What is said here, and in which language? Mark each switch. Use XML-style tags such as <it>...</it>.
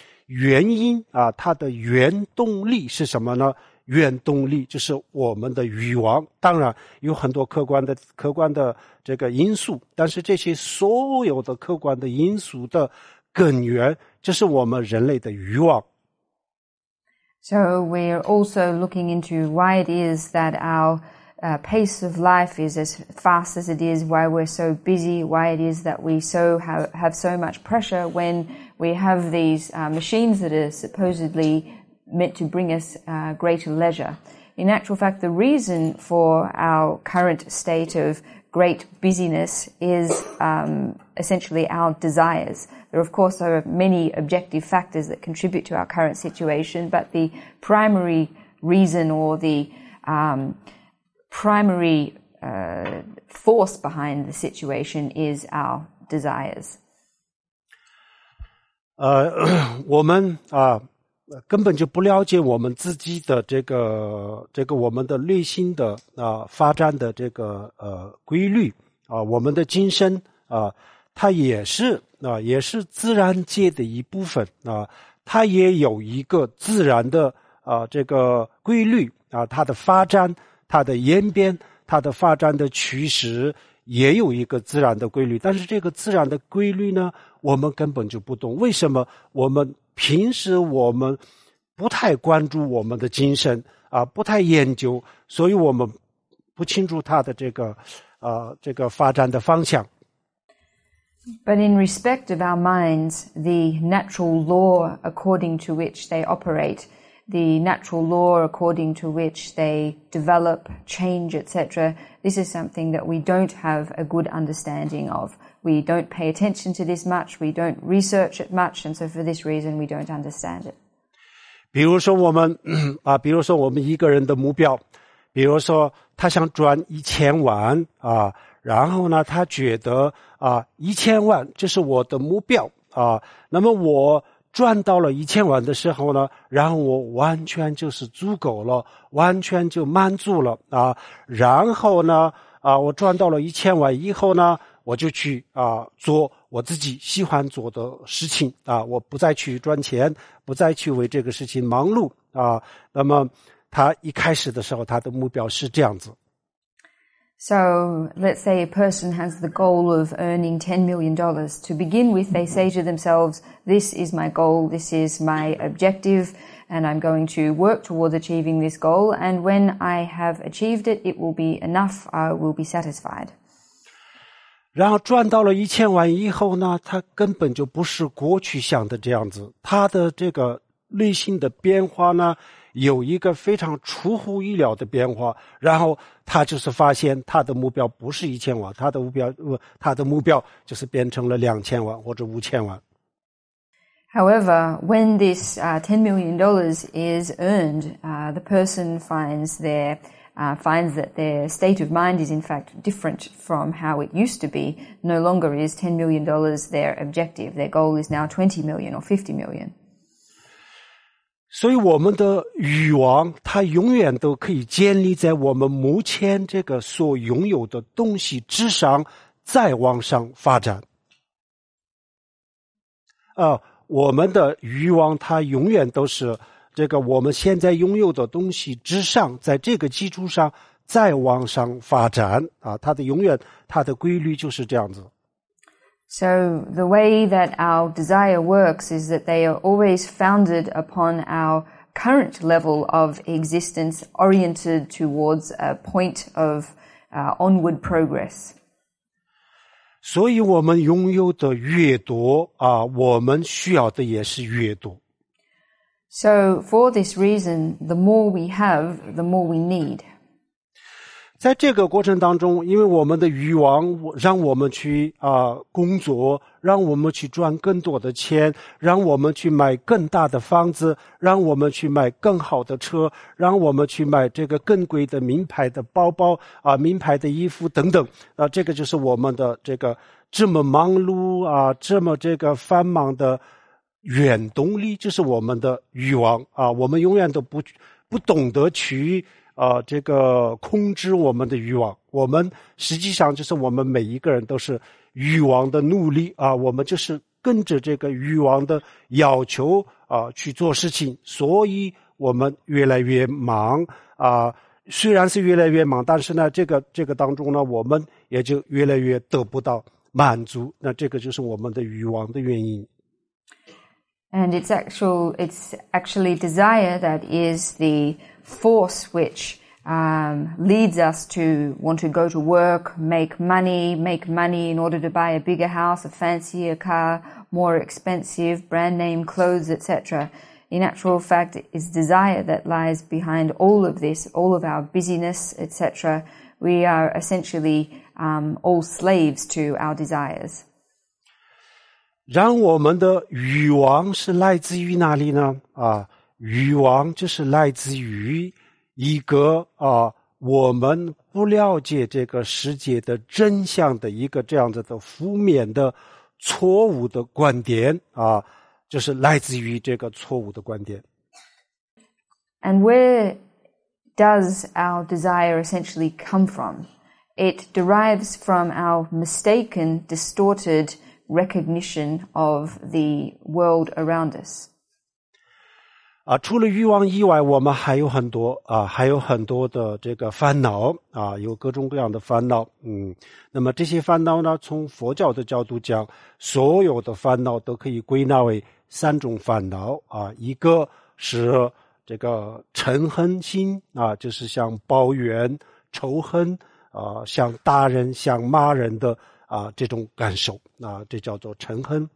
<zh>原因啊，它的原动力是什么呢？原动力就是我们的欲望，当然有很多客观的这个因素，但是这些所有的客观的因素的根源，就是我们人类的欲望。</zh> <en>So we're also looking into why it is that our pace of life is as fast as it is, why we're so busy, why it is that we so have so much pressure when we have these machines that are supposedly meant to bring us greater leisure. In actual fact, the reason for our current state of great busyness is essentially our desires. There, of course, are many objective factors that contribute to our current situation, but the primary reason or the primary force behind the situation is our desires.</en> <zh>我们啊，根本就不了解我们自己的这个我们的内心的啊发展的这个规律啊，我们的精神啊，它也是啊，也是自然界的一部分啊，它也有一个自然的啊这个规律啊，它的发展。它的演变，它的发展的趋势也有一个自然的规律，但是这个自然的规律呢，我们根本就不懂。为什么我们平时我们不太关注我们的精神啊，不太研究，所以我们不清楚它的这个发展的方向。</zh> <en>But in respect of our minds, the natural law according to which they operate. The natural law according to which they develop, change, etc. This is something that we don't have a good understanding of. We don't pay attention to this much. We don't research it much. And so for this reason, we don't understand it.</en> <zh>比如说我们啊，比如说我们一个人的目标，比如说他想赚1000万啊，然后呢，他觉得啊，1000万这是我的目标啊，那么我赚到了1000万的时候呢，然后我完全就是足够了，完全就满足了啊。然后呢，啊，我赚到了1000万以后呢，我就去啊做我自己喜欢做的事情啊，我不再去赚钱，不再去为这个事情忙碌啊。那么他一开始的时候，他的目标是这样子。</zh> <en>So let's say a person has the goal of earning $10 million. To begin with, they say to themselves, this is my goal, this is my objective, and I'm going to work towards achieving this goal. And when I have achieved it, it will be enough, I will be satisfied.</en> <zh>然后赚到了1000万以后呢，他根本就不是过去想的这样子。他的这个内心的变化呢，有一个非常出乎意料的变化，然后他就是发现他的目标不是1000万，他的目标就是变成了2000万或者5000万。</zh> <en>However, when this $10 million is earned, the person finds that their state of mind is in fact different from how it used to be. No longer is $10 million their objective. Their goal is now $20 million or $50 million.</en> <zh>所以我们的欲望它永远都可以建立在我们目前这个所拥有的东西之上，再往上发展。我们的欲望它永远都是这个我们现在拥有的东西之上，在这个基础上再往上发展。它的永远，它的规律就是这样子。</zh> <en>So the way that our desire works is that they are always founded upon our current level of existence oriented towards a point of onward progress.</en> <zh>所以我们拥有的越多啊，我们需要的也是越多。</zh> <en>So for this reason, the more we have, the more we need.</en> <zh>在这个过程当中，因为我们的欲望让我们去工作，让我们去赚更多的钱，让我们去买更大的房子，让我们去买更好的车，让我们去买这个更贵的名牌的包包名牌的衣服等等这个就是我们的这个这么忙碌这么这个繁忙的原动力，就是我们的欲望我们永远都不懂得去这个控制我们的欲望，我们实际上就是我们每一个人都是欲望的奴隶我们就是跟着这个欲望的要求啊、去做事情，所以我们越来越忙啊、虽然是越来越忙，但是呢，这个当中呢，我们也就越来越得不到满足，那这个就是我们的欲望的原因。</zh> <en>And it's actually desire that is the force which leads us to want to go to work, make money in order to buy a bigger house, a fancier car, more expensive brand name clothes, etc. In actual fact, it's desire that lies behind all of this, all of our busyness, etc. We are essentially all slaves to our desires.</en> <zh>然我们的欲望是来自于哪里呢？啊，欲望就是来自于一个啊，我们不了解这个世界的真相的一个这样子的负面的错误的观点啊，就是来自于这个错误的观点。</zh> <en>And where does our desire essentially come from? It derives from our mistaken, distorted recognition of the world around us.</en> <zh>啊，除了欲望以外，我们还有很多啊，还有很多的这个烦恼啊，有各种各样的烦恼。嗯，那么这些烦恼呢，从佛教的角度讲，所有的烦恼都可以归纳为三种烦恼啊，一个是这个嗔恨心啊，就是像抱怨、仇恨啊，像打人、像骂人的啊这种感受啊，这叫做嗔恨。</zh>